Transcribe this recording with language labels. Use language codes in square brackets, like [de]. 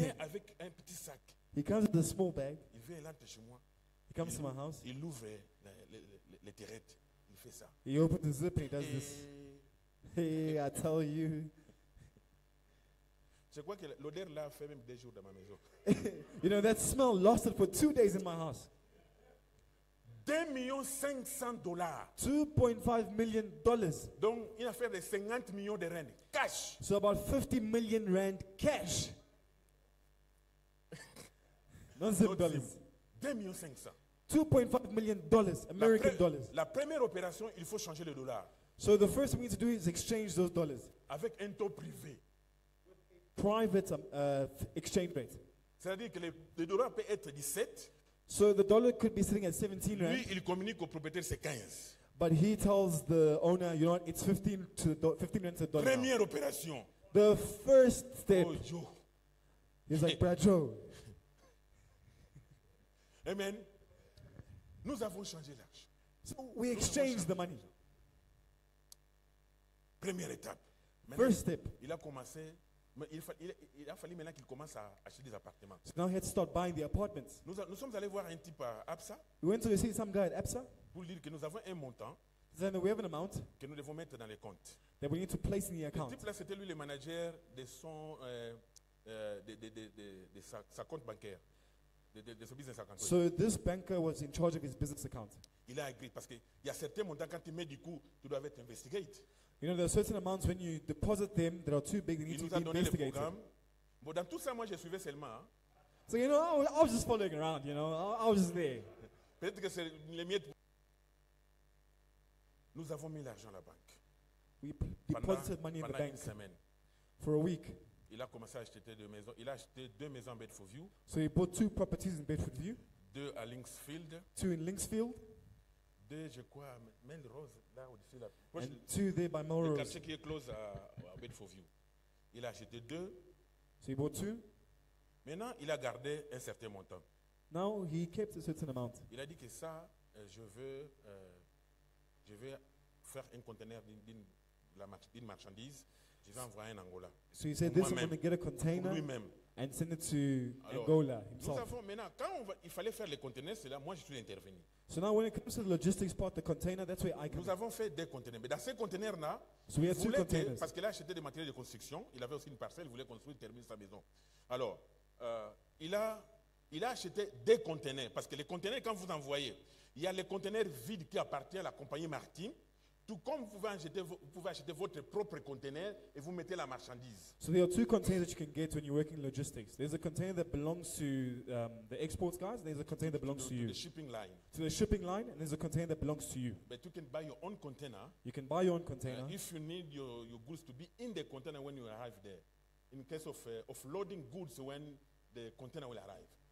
[fr] Il vient avec un petit sac. [en] He comes with a small bag. [fr] Il vient là de chez moi. [en] He comes to my house. [fr] Il ouvre les tirettes. Il fait ça. [en] He opens the zipper. He does this. Hey, I tell you. [fr] Je crois que l'odeur là fait même deux jours dans ma maison. [en] You know, that smell lasted for 2 days in my house. [fr] $2,500,000. [en] $2.5 million. [fr] Donc, il a fait 50 millions de rand cash. [en] So about 50 million rand cash. [fr] Non, c'est dollars. 2,500. [en] $2.5 million, American dollars. [fr] La première opération, il faut changer le dollar. [en] So the first thing we need to do is exchange those dollars. [fr] Avec un taux privé. [en] Private exchange rate. [fr] C'est-à-dire que le dollar peut être 17. [en] So the dollar could be sitting at 17 rand. [fr] Lui, il communique au propriétaire, c'est 15. [en] But he tells the owner, you know what, it's 15 rand to the dollar. [fr] Première now. Opération. [en] The first step. Oh, Joe. He's like, Bradjo. [fr] Amen. Nous avons changé l'argent. [en] So we exchanged the money. [fr] Première étape. [en] Maintenant, first step. [fr] Il a commencé... Il a fallu maintenant qu'il commence à acheter des appartements. [en] So now he had to start buying the apartments. [fr] Nous sommes allés voir un type à Absa. [en] We went to see some guy at Absa. [fr] Pour dire que nous avons un montant. [en] Then we have an amount. [fr] Que nous devons mettre dans les comptes. [en] That we need to place in the account. [fr] Le type là, c'était lui le manager de son de sa compte bancaire, de son business account. [en] So this banker was in charge of his business account. [fr] Il a agréé parce que il y a certains montants quand tu mets du coup, tu dois être investigate. [en] You know, there are certain amounts when you deposit them that are too big, they need to be investigated. [fr] But dans tout ça, moi, je suivais seulement. [en] So, you know, I was just following around, you know. I was just there. [fr] Peut-être que c'est les miettes. Nous avons mis l'argent à la banque. [en] We deposited money in the bank. [fr] Pendant une semaine. [en] For a week. [fr] Il a commencé à acheter deux maisons. Il a acheté deux maisons en Bedford View. [en] So he bought two properties in Bedford View. [fr] Deux à Linksfield. [en] Two in Linksfield. [fr] Deux, je crois, Melrose, là au-dessus là. [en] And two there by Melrose. [fr] Le quartier qui est close à Bedford View. Il a acheté deux. [en] So he bought two. [fr] Maintenant, il a gardé un certain montant. [en] Now he kept a certain amount. [fr] Il a dit que ça, je veux faire un conteneur d'une marchandise. Je vais envoyer en Angola. [en] So he said, this is going to get a container and send it to Angola himself. [fr] Nous avons maintenant, quand il fallait faire les conteneurs, c'est là, moi, je suis intervenu. [en] So now when it comes to the logistics part, the container, that's where I come. [fr] Nous avons fait deux conteneurs. Mais dans ces conteneurs-là, [en] so we had two containers. [fr] Parce qu'il a acheté des matériaux de construction. Il avait aussi une parcelle, il voulait construire, terminer sa maison. Alors, il a acheté deux conteneurs. Parce que les conteneurs, quand vous envoyez, il y a les conteneurs vides qui appartiennent à la compagnie maritime. Tout comme vous pouvez acheter votre propre conteneur et vous mettez la marchandise. [en] So there are two containers that you can get when you're working in logistics. There's a container that belongs to the export guys, and there's a container that belongs to you. To the shipping line. To the shipping line, and there's a container that belongs to you. But you can buy your own container. You can buy your own container. If you need your goods to be in the container when you arrive there, in case of loading goods when the container will arrive.